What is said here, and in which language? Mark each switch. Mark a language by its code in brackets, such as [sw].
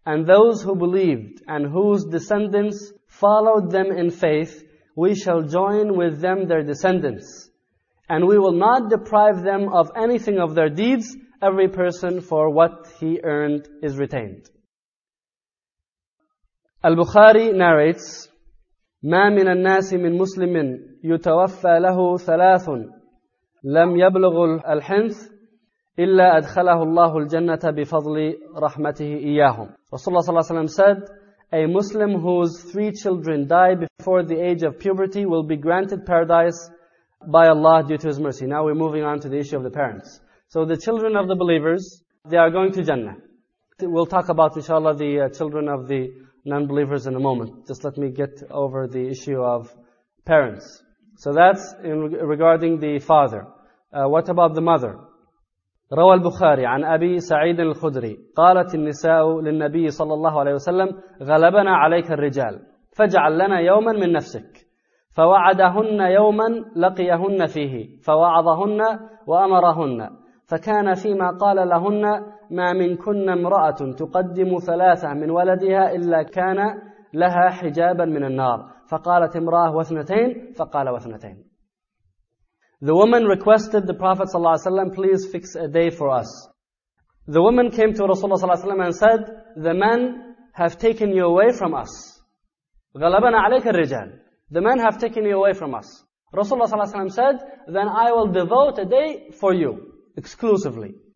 [en] And those who believed and whose descendants followed them in faith, we shall join with them their descendants. And we will not deprive them of anything of their deeds, every person for what he earned is retained. Al-Bukhari narrates, [ar] مَا مِنَ النَّاسِ مِنْ مُسْلِمٍ يُتَوَفَّى لَهُ ثَلَاثٌ لَمْ يَبْلُغُ الْحِنْثِ إِلَّا أَدْخَلَهُ اللَّهُ الْجَنَّةَ بِفَضْلِ رَحْمَتِهِ إِيَّاهُمْ. [en] Rasulullah ﷺ said, a Muslim whose three children die before the age of puberty will be granted paradise by Allah due to His mercy. Now we're moving on to the issue of the parents. So the children of the believers, they are going to Jannah. We'll talk about, inshallah, the children of the non-believers in a moment. Just let me get over the issue of parents. So that's in regarding the father. What about the mother? [ar] روى البخاري عن أبي سعيد الخدري قالت النساء للنبي صلى الله عليه وسلم غلبنا عليك الرجال فجعل لنا يوما من نفسك فوعدهن يوما لقيهن فيه فوعظهن وأمرهن فكان فيما قال لهن ما منكن امرأة تقدم ثلاثة من ولدها إلا كان لها حجابا من النار فقالت امرأة واثنتين فقال واثنتين. [en] The woman requested the Prophet ﷺ, please fix a day for us. The woman came to Rasulullah ﷺ and said, the men have taken you away from us. [ar] غَلَبَنَا عَلَيْكَ الرِّجَالِ [en] The men have taken you away from us. Rasulullah ﷺ said, then I will devote a day for you, exclusively.